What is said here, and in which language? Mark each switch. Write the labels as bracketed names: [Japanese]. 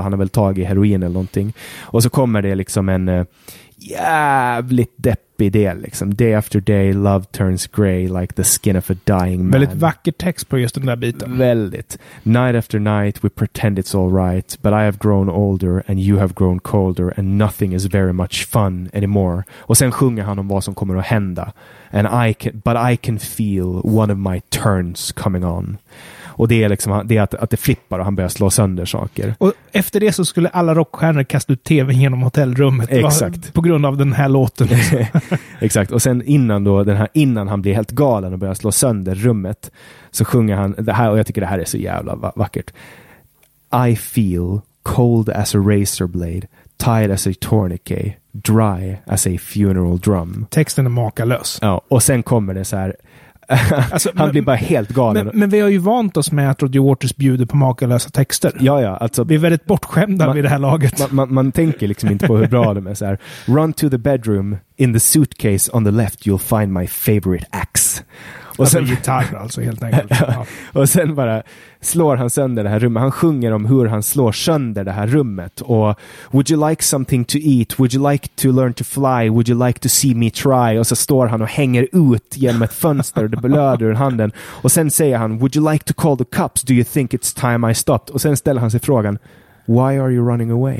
[Swedish] Han har väl tagit heroin eller någonting. Och så kommer det liksom en jävligt deppig del liksom. [English] Day after day, love turns gray like the skin of a dying man. [Swedish] Väldigt vacker text på just den där biten. Väldigt. [English] Night after night, we pretend it's all right, but I have grown older and you have grown colder and nothing is very much fun anymore. [Swedish] Och sen sjunger han om vad som kommer att hända. [English] And I can feel one of my turns coming on. [Swedish] Och det är liksom det är att det flippar och han börjar slå sönder saker. Och efter det så skulle alla rockstjärnor kasta ut tv genom hotellrummet. Exakt. På grund av den här låten. Exakt. Och sen innan han blir helt galen och börjar slå sönder rummet så sjunger han det här, och jag tycker det här är så jävla vackert. [English] I feel cold as a razor blade, tight as a tourniquet, dry as a funeral drum. [Swedish] Texten är makalös. Ja, och sen kommer det så här. Alltså, han blir bara helt galen. Men vi har ju vant oss med att Roddy Waters bjuder på makalösa texter. Ja, ja, alltså, vi är väldigt bortskämda vid det här laget. Man tänker liksom inte på hur bra det är. Så här, [English] run to the bedroom, in the suitcase on the left you'll find my favorite axe. [Swedish] Och alltså, sen, gitarr alltså, helt enkelt. Ja, och sen bara slår han sönder det här rummet. Han sjunger om hur han slår sönder det här rummet. Och [English] would you like something to eat? Would you like to learn to fly? Would you like to see me try? [Swedish] Och så står han och hänger ut genom ett fönster. Det blöder ur handen. Och sen säger han, [English] would you like to call the cops? Do you think it's time I stopped? [Swedish] Och sen ställer han sig frågan, [English] why are you running away?